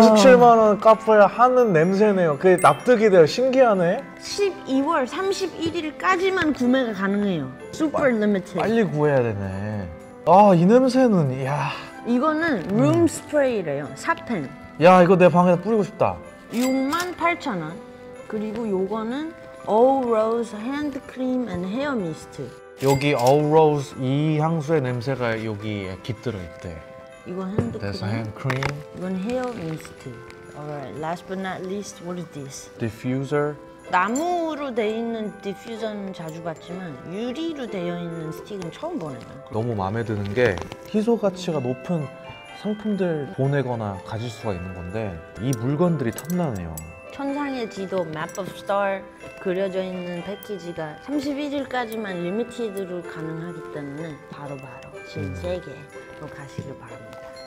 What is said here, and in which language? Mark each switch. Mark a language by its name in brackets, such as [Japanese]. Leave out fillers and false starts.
[Korean] 57만 원 값을 하는 냄새네요. 그게 납득이 돼요. 신기하네. 12월 31일까지만 구매가 가능해요. [English] Super limited. [Korean] 빨리 구해야 되네. 아, 이 냄새는 야. 이거는 룸 스프레이래요. 사펜. 야, 이거 내 방에다 뿌리고 싶다. 68,000원. 그리고 요거는 All Rose Hand Cream and Hair Mist. 여기 All Rose 이 향수의 냄새가 여기에 깃들어 있대. 이건 핸드크림. [English] That's a hand cream. [Korean] 이건 헤어 미스트. [English] Alright, last but not least, what is this? Diffuser. [Korean] 나무로 되어 있는 디퓨저는 자주 봤지만 유리로 되어 있는 스틱은 처음 보네요. 너무 마음에 드는 게 희소 가치가 높은 상품들 보내거나 가질 수가 있는 건데 이 물건들이 탐나네요. 천상의 지도, Map of Star 그려져 있는 패키지가 31일까지만 리미티드로 가능하기 때문에 바로 실세계. 가시길 바랍니다.